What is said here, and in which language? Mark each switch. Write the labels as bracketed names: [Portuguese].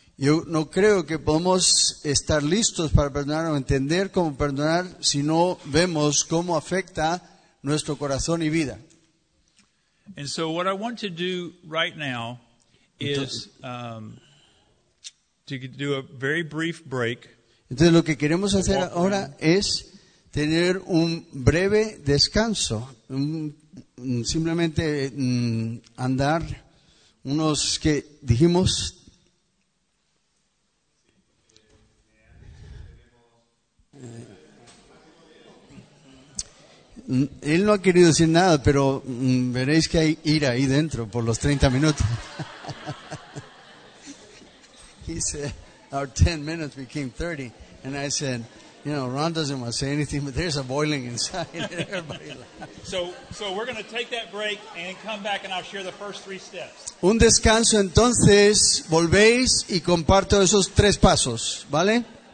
[Spanish] Yo no creo que podamos estar listos para perdonar o entender cómo perdonar si no vemos cómo afecta nuestro corazón y vida. [English] And so what I want to do right now is to do a very brief break. [Spanish] Entonces lo que queremos hacer ahora es tener un breve descanso, simplemente andar unos que dijimos 30 minutos. Él no ha querido decir nada, pero veréis que hay ira ahí dentro por los 30 minutos. [English] He said our 10 minutes became 30, and I said, you know, Ron doesn't want to say anything, but there's a boiling inside. Everybody laughs. So we're going to take that break and come back, and I'll share the first 3 steps. [Spanish] Un descanso, entonces, volvéis y comparto esos 3 pasos, ¿vale?